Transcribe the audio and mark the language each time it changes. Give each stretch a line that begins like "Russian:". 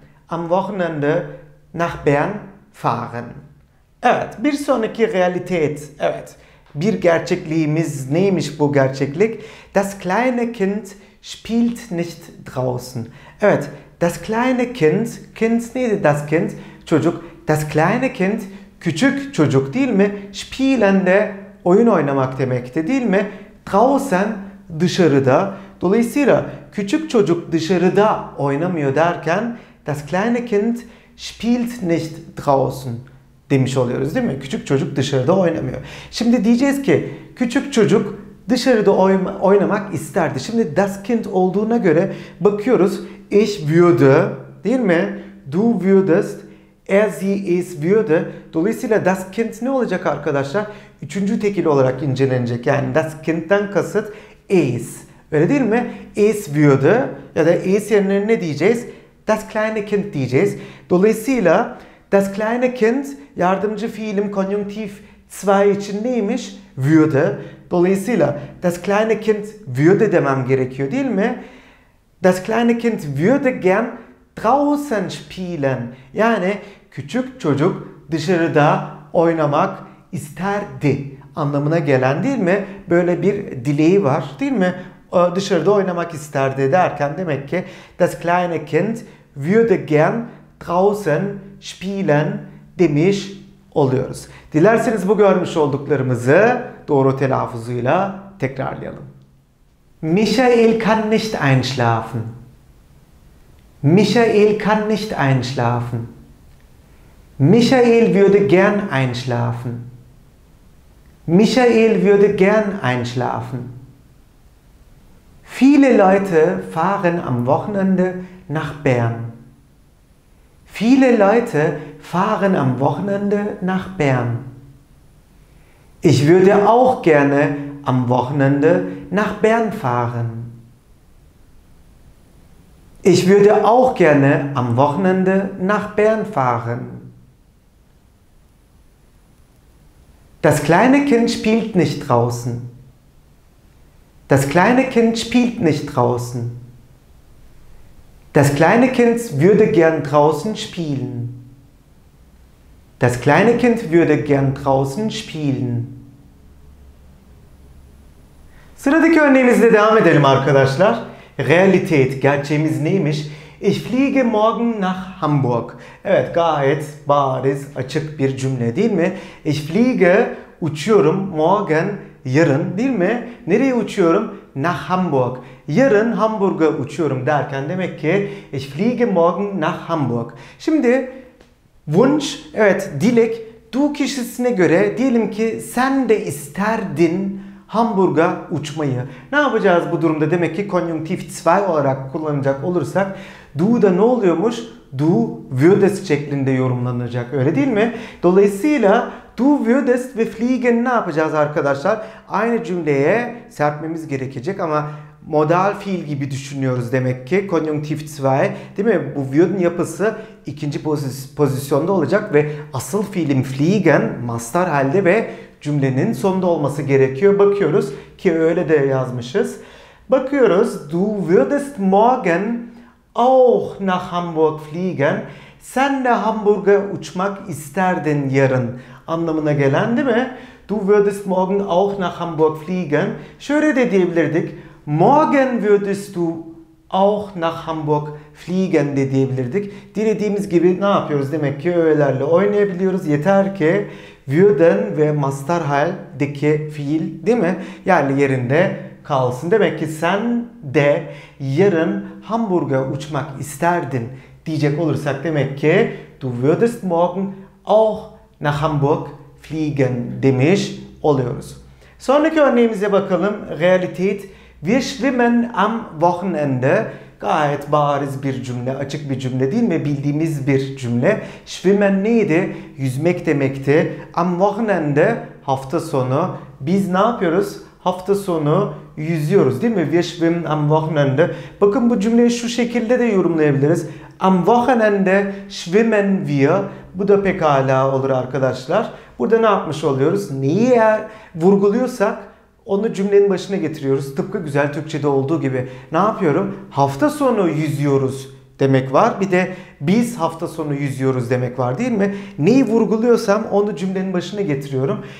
German: am Wochenende nach Bern fahren.
Turkish: Evet, bir sonraki realitet. Evet, bir gerçekliğimiz neymiş bu gerçeklik?
German: Das kleine Kind spielt nicht draußen.
Turkish: Evet,
German: das kleine Kind, Kind
Turkish: neydi
German: das Kind?
Turkish: Çocuk.
German: Das kleine Kind,
Turkish: küçük çocuk değil mi? Spielen de oyun oynamak demekti değil mi? Draußen dışarıda. Dolayısıyla küçük çocuk dışarıda oynamıyor derken
German: das kleine Kind spielt nicht draußen
Turkish: demiş oluyoruz değil mi? Küçük çocuk dışarıda oynamıyor. Şimdi diyeceğiz ki küçük çocuk dışarıda oynamak isterdi. Şimdi das Kind olduğuna göre bakıyoruz.
German: Ich würde
Turkish: değil mi?
German: Du würdest, er sie es würde.
Turkish: Dolayısıyla das Kind ne olacak arkadaşlar? Üçüncü tekil olarak incelenecek. Yani das Kind'den kasıt es. Öyle değil mi?
German: Es würde
Turkish: ya da es yerine ne diyeceğiz?
German: Das kleine Kind
Turkish: diyeceğiz. Dolayısıyla
German: das kleine Kind
Turkish: yardımcı fiilim konjunktif 2 için neymiş? Würde. Dolayısıyla
German: das kleine Kind würde
Turkish: demem gerekiyor değil mi?
German: Das kleine Kind würde gern draußen spielen.
Turkish: Yani küçük çocuk dışarıda oynamak isterdi anlamına gelen değil mi? Böyle bir dileği var değil mi? Dışarıda oynamak isterdi derken demek ki
German: das kleine Kind würde gern draußen spielen
Turkish: demiş oluyoruz. Dilerseniz bu görmüş olduklarımızı doğru telaffuzuyla tekrarlayalım.
German: Michael kann nicht einschlafen. Michael kann nicht einschlafen. Michael würde gern einschlafen. Michael würde gern einschlafen. Viele Leute fahren am Wochenende nach Bern. Viele Leute fahren am Wochenende nach Bern. Ich würde auch gerne am Wochenende nach Bern fahren. Ich würde auch gerne am Wochenende nach Bern fahren. Das kleine Kind spielt nicht draußen. Das kleine Kind spielt nicht draußen. Das kleine Kind würde gern draußen spielen. Das kleine Kind würde gern draußen spielen.
Turkish: Sıradaki örneğimizle devam edelim arkadaşlar. Realität, gerçeğimiz neymiş?
German: Ich fliege morgen nach Hamburg.
Turkish: Evet, gayet bariz, açık bir cümle değil mi?
German: Ich fliege,
Turkish: uçuyorum,
German: morgen,
Turkish: yarın değil mi? Nereye uçuyorum?
German: Nach Hamburg.
Turkish: Yarın Hamburg'a uçuyorum derken demek ki
German: ich fliege morgen nach Hamburg.
Turkish: Şimdi Wunsch, evet dilek, du kişisine göre diyelim ki sen de isterdin Hamburg'a uçmayı. Ne yapacağız bu durumda? Demek ki konjunktif 2 olarak kullanacak olursak du da ne oluyormuş?
German: Du würdest
Turkish: şeklinde yorumlanacak. Öyle değil mi? Dolayısıyla
German: du würdest
Turkish: ve fliegen ne yapacağız arkadaşlar? Aynı cümleye serpmemiz gerekecek ama modal fiil gibi düşünüyoruz demek ki. Konjunktif 2. Değil mi? Bu würden yapısı ikinci pozisyonda olacak ve asıl fiilim fliegen mastar halde ve cümlenin sonunda olması gerekiyor. Bakıyoruz ki öyle de yazmışız. Bakıyoruz.
German: Du würdest morgen auch nach Hamburg fliegen.
Turkish: Sen de Hamburg'a uçmak isterdin yarın anlamına gelen değil mi?
German: Du würdest morgen auch nach Hamburg fliegen.
Turkish: Şöyle de diyebilirdik.
German: Morgen würdest du auch nach Hamburg fliegen
Turkish: de diyebilirdik. Dilediğimiz gibi ne yapıyoruz? Demek ki öğelerle oynayabiliyoruz. Yeter ki würden ve mastar haldeki fiil değil mi? Yerli yerinde kalsın. Demek ki sen de yarın Hamburg'a uçmak isterdin diyecek olursak demek ki
German: du würdest morgen auch nach Hamburg fliegen
Turkish: demiş oluyoruz. Sonraki örneğimize bakalım.
German: Realität. Wir schwimmen am Wochenende.
Turkish: Gayet bariz bir cümle, açık bir cümle değil mi? Bildiğimiz bir cümle. Schwimmen neydi? Yüzmek demekti. Am Wochenende, hafta sonu. Biz ne yapıyoruz? Hafta sonu yüzüyoruz değil mi?
German: Wir schwimmen am Wochenende.
Turkish: Bakın bu cümleyi şu şekilde de yorumlayabiliriz.
German: Am Wochenende schwimmen wir.
Turkish: Bu da pekala olur arkadaşlar. Burada ne yapmış oluyoruz? Neyi eğer vurguluyorsak onu cümlenin başına getiriyoruz. Tıpkı güzel Türkçe'de olduğu gibi. Ne yapıyorum? Hafta sonu yüzüyoruz demek var. Bir de biz hafta sonu yüzüyoruz demek var, değil mi? Neyi vurguluyorsam onu cümlenin başına getiriyorum.